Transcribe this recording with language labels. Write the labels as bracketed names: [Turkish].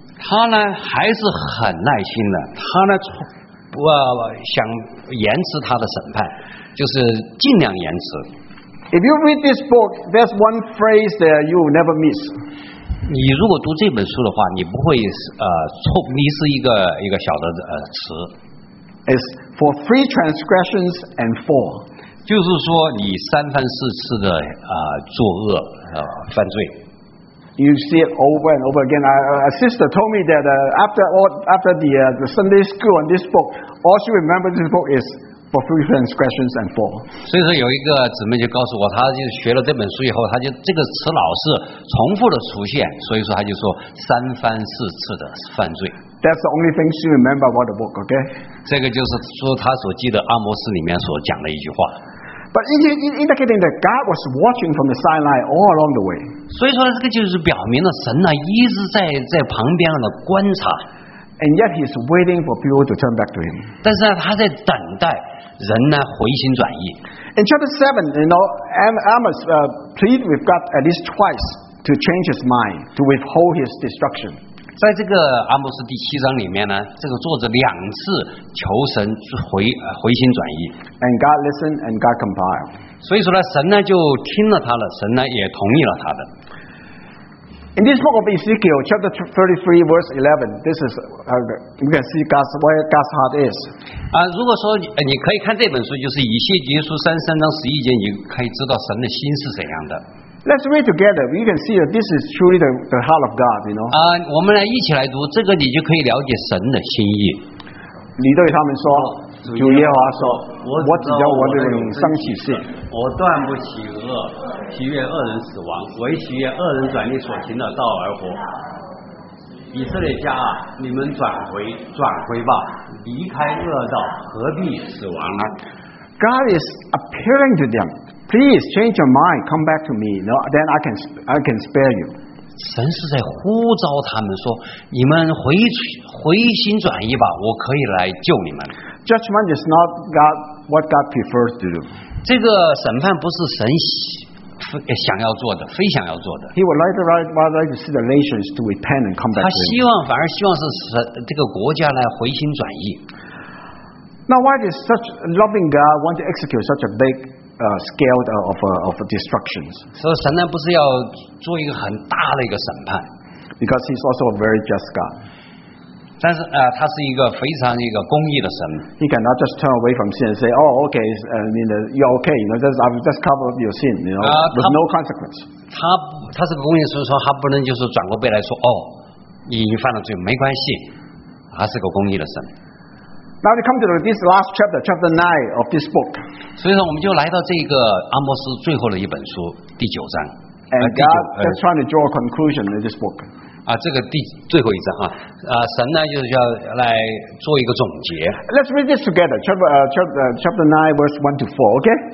[Chinese] 他呢还是很耐心的，他呢不想延迟他的审判，就是尽量延迟。 [English] If you read this book, there's one phrase there you will never miss. [Chinese] 你如果读这本书的话，你不会错迷失一个小的词。 [English] It's for three transgressions and four， [Chinese] 就是说你三番四次的作恶犯罪。 [English] You see it over and over again. A sister told me that after the Sunday school on this book, all she remembers this book is. For three transgressions and four. [Chinese] 所以说有一个姊妹就告诉我，她就学了这本书以后，她就这个词老是重复的出现，所以说她就说三番四次的犯罪。 [English] That's the only thing she remembers about the book, okay? [Chinese] 这个就是说她所记得阿摩斯里面所讲的一句话。 [English] But indicating that God was watching from the sideline all along the way. [Chinese] 所以说这个就是表明了神呢一直在旁边的观察。 [English] And yet he's waiting for people to turn back to him. [Chinese] 但是呢，他在等待人呢回心转意。 [English] In chapter 7, you know, Amos pleads with God at least twice to change his mind, to withhold his destruction. [Chinese] 在这个阿摩斯第七章里面呢，这个作者两次求神回心转意。 [English] And God listened and God complied. [Chinese] 所以说呢，神呢就听了他的，神呢也同意了他的。 [English] In this book of Ezekiel, chapter 33, verse 11, this is you can see where God's heart is. [Chinese] 如果说你可以看这本书，就是以西结书33:11，你可以知道神的心是怎样的。 [English] Let's read together. You can see that this is truly the heart of God. You know. [Chinese] 我们来一起来读这个，你就可以了解神的心意。你对他们说，主耶和华说，我指着我的永生起誓，我断不喜恶，喜悦恶人死亡，唯喜悦恶人转离所行的道而活。以色列家啊，你们转回吧，离开恶道，何必死亡呢？ [English] God is appealing to them. Please change your mind, come back to me. No, then I can spare you. [Chinese] 神是在呼召他们说，你们回心转意吧，我可以来救你们。 [English] Judgment is not God what God prefers to do. [Chinese] 这个审判不是神想要做的，非想要做的。 [English] He would rather see the nations to repent and come back. [Chinese] 他希望反而希望是这个国家来回心转意。 [English] Now why does such loving God want to execute such a big scale of destructions? [Chinese] 所以神呢不是要做一个很大的一个审判 [English] ？Because he's also a very just God. [Chinese] 但是他是一个非常一个公义的神。 [English] He cannot just turn away from sin and say, "Oh, okay, you're okay. You know, I've just covered your sin, you know, with no consequence." [Chinese] 他是个公义神，说他不能就是转过背来说，哦，你犯了罪，没关系。他是个公义的神。 [English] Now we come to this last chapter, chapter 9 of this book. [Chinese] 所以说，我们就来到这个阿摩斯最后的一本书第九章。 [English] And God is trying to draw a conclusion in this book. [Chinese] 这个最后一章神呢就是要来做一个总结。 [English] Let's read this together, chapter 9, verse 1 to 4, okay?